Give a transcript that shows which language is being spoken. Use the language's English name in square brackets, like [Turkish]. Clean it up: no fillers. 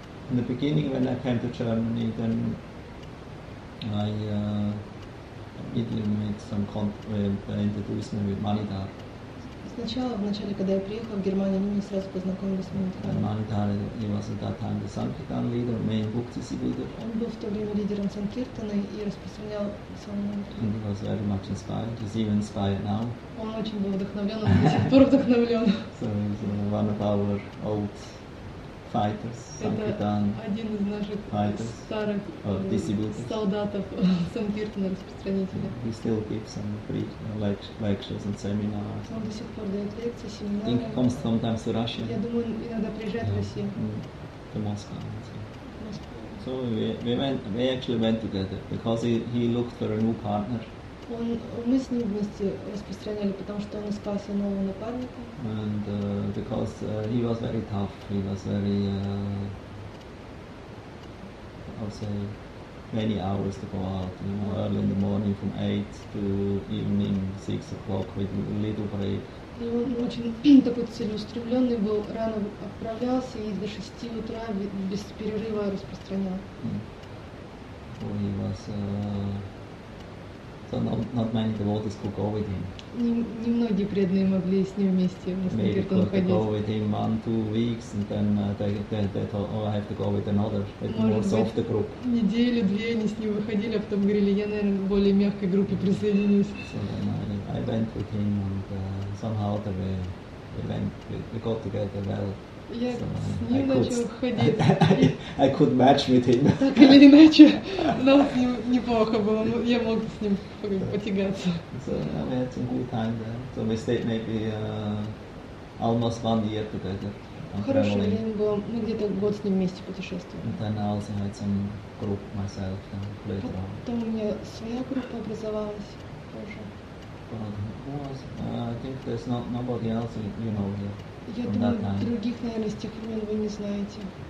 [English] In the beginning, when I came to Germany, then I immediately made some introduced me with Manidhar. [Russian] Сначала, в начале, когда я приехал в Германию, они сразу познакомились с Манидхар. [English] Манидхар, he was at that time the Sankirtan leader, main book distributor. [Russian] Он был в то время лидером Санкиртаны и распространял Санкиртаны. [English] And he was very much inspired. He's even inspired now. [Russian] Он очень был вдохновлен, он до сих пор вдохновлен. [English] So he's one of our old fighters, Sankirtan. [Russian] Это один из наших [English] fighters, [Russian] старых солдатов Санкиртана, распространителя. [English] He still gives some lectures and seminars. [Russian] Он до сих пор дает лекции, семинары. [English] He comes sometimes to Russia. [Russian] Я думаю, иногда приезжает в Россию. [English] To Moscow. So we actually went together because he looked for a new partner. [Russian] Мы с ним вместе распространяли, потому что он искал себе нового напарника. [English] And because he was very tough, he was very, I'll say, many hours to go out, you know, early in the morning from 8 to evening 6 o'clock with little break. [Russian] И он очень такой целеустремленный был, рано отправлялся и до 6 утра без перерыва распространял. [English] he was so not many devotees could go with him. [Russian] Немногие преданные могли с ним вместе в Санкиртан ходить. [English] Maybe go with him 1-2 weeks, and then they thought, I have to go with another. It was off the group. [Russian] Неделю две они с ним выходили, а потом говорили, я, наверное, в более мягкой группе присоединюсь. [English] So then I went with him, and somehow the way we got together well. [Russian] Я с ним начал ходить. [English] I could match with him. [Russian] Так или иначе, но с ним неплохо было, но я мог с ним потягаться. [English] So we had some good time there. So we stayed maybe almost 1 year together. [Russian] Хорошее время было. Мы где-то год с ним вместе путешествовали. [English] And then I also had some group myself later on. [Russian] Потом у меня своя группа образовалась позже. [English] But who was? I think there's nobody else you know here. [Russian] Я думаю, других, наверное, с тех времен вы не знаете.